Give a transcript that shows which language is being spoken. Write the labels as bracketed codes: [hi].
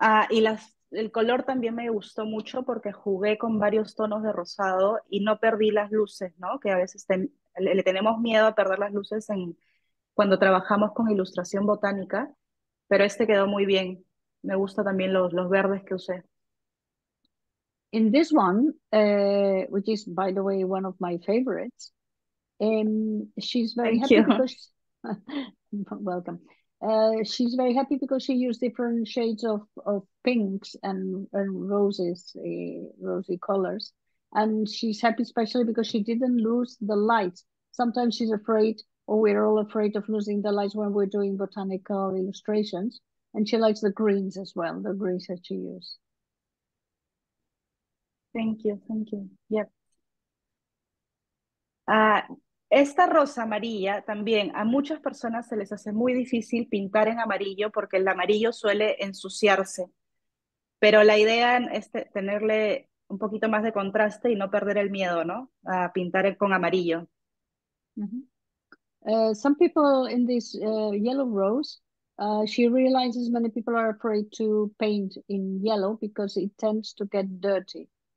[es] Y las el color también me gustó mucho porque jugué con varios tonos de rosado y no perdí las luces, ¿no? Que a veces le tenemos miedo a perder las luces en cuando trabajamos con ilustración botánica, pero este quedó muy bien. Me gusta también los verdes que usé. [en] In this one, which is, by the way, one of my favorites, she's very Thank happy you. Because welcome. She's very happy because she used different shades of pinks and roses, rosy colors. And she's happy especially because she didn't lose the light. Sometimes she's afraid, or we're all afraid of losing the light when we're doing botanical illustrations. And she likes the greens as well, the greens that she used. Thank you, yep. [es] Esta rosa amarilla también a muchas personas se les hace muy difícil pintar en amarillo porque el amarillo suele ensuciarse. Pero la idea es tenerle un poquito más de contraste y no perder el miedo, ¿no? A pintar con amarillo. [en] Some people in this yellow rose, she realizes many people are afraid to paint in yellow because it tends to get dirty.